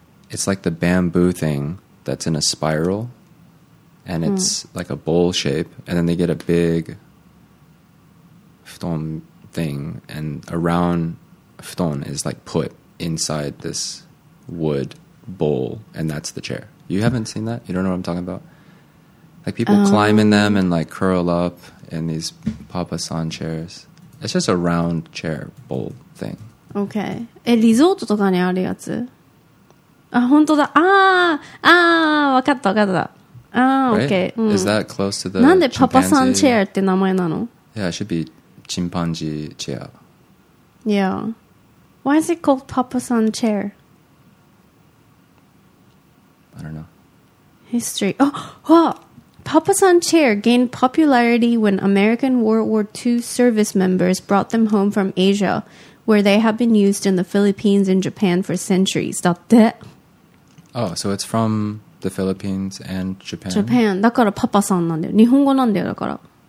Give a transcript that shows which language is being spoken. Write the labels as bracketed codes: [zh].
[en] It's like the bamboo thing that's in a spiral and it's like a bowl shape and then they get a big futon thing and around futon is like put inside this wood bowl and that's the chair. You haven't seen that? You don't know what I'm talking about? Like people climb in them and like curl up in these papasan chairs. It's just a round chair bowl thing. Okay. [ja] え、リゾートとかにあるやつ?あ、本当だ。あー、あー、わかった、わかった。 [en] あー、okay. Right? Is that close to the [ja] なんでパパサンチェアって名前なの? [en] Yeah, it should be Chimpanzee chair. Yeah. Why is it called Papasan chair? I don't know. History. Oh, Papasan chair gained popularity when American World War II service members brought them home from Asia, where they have been used in the Philippines and Japan for centuries. [ja] だって。 [en] Oh, so it's from the Philippines and Japan. Japan. [ja] だからパパさんなんだよ。日本語なんだよ、だから。